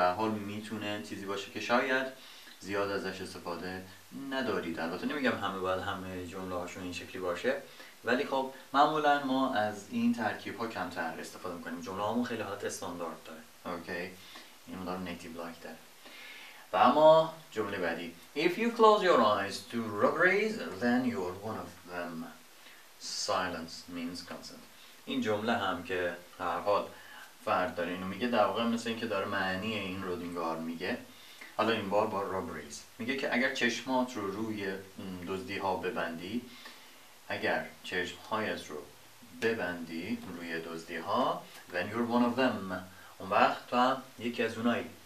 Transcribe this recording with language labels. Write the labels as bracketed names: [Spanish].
[Persian] به هر حال میتونه چیزی باشه که شاید زیاد ازش استفاده ندارید. البته نمیگم همه باید همه جمله هاشون این شکلی باشه، ولی خب معمولا ما از این ترکیب ها کمتر استفاده میکنیم. جمله هامون خیلی حالت استاندارد داره. اوکی، این مدار نیتیب لایک داره. و اما جمله بعدی [English] If you close your eyes to robberies then you're one of them. Silence means consent. [Persian] این جمله هم که هر حال فرد داره اینو میگه، در واقع مثل این که داره معنی این رو دینگار میگه، حالا این بار با robberies میگه که اگر چشمات رو روی دزدی ها ببندی، اگر چشمهایت رو ببندی روی دزدی ها [English] then you're one of them، [Persian] اون وقت تو هم یکی از اونایی.